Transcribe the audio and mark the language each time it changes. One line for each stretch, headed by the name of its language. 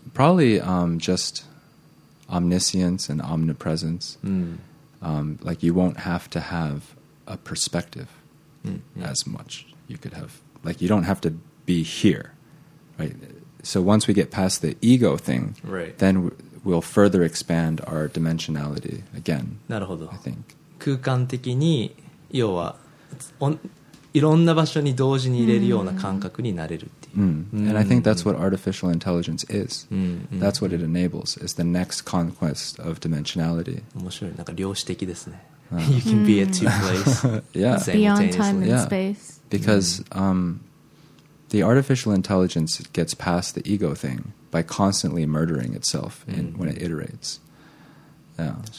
English: Probably just omniscience and omnipresence. Mm. Like you won't have to have a perspective mm-hmm. as much. You could have, like you don't have to be here, right? So once we get past the ego thing, right. then we'll further expand our dimensionality again.
Japanese: なるほど。
English: I think.
Japanese: 空間的に要はいろんな場所に同時にいれるような感覚になれるっていう。 Mm. Mm.
English: And I think that's what artificial intelligence is. Mm. That's what it enables, is the next conquest of dimensionality.
Japanese: 面白い。なんか量子的ですね。
English: You can be at two places. yeah. Beyond time and yeah. space. Because... the artificial intelligence gets past the ego thing by constantly murdering itself in, mm. when it iterates. Yeah.